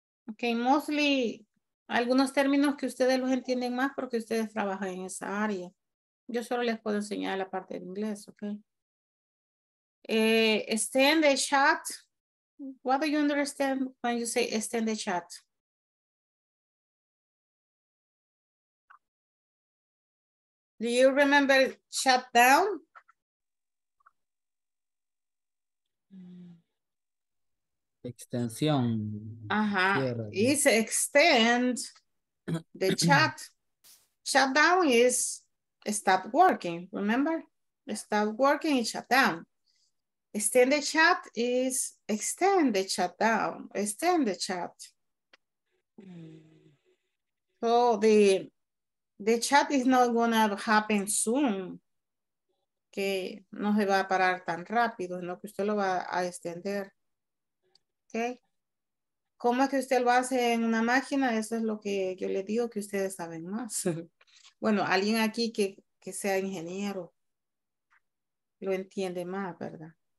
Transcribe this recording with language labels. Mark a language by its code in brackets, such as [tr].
[es] Okay, mostly algunos términos que ustedes los entienden más porque ustedes trabajan en esa área. Yo solo les puedo enseñar la parte de inglés, okay? [en] Extend the chat. What do you understand when you say extend the chat? Do you remember shut down? [es] Extensión. [en] Ajá. Is extend the chat. Shut down is stop working. Remember? Stop working and shut down. Extend the chat is extend the chat down. Extend the chat. So the chat is not gonna happen soon. [es] Que no se va a parar tan rápido, sino que usted lo va a extender. Okay. ¿Cómo es que usted lo hace en una máquina? Eso es lo que yo le digo que ustedes saben más. Bueno, alguien aquí que sea ingeniero lo entiende más, ¿verdad?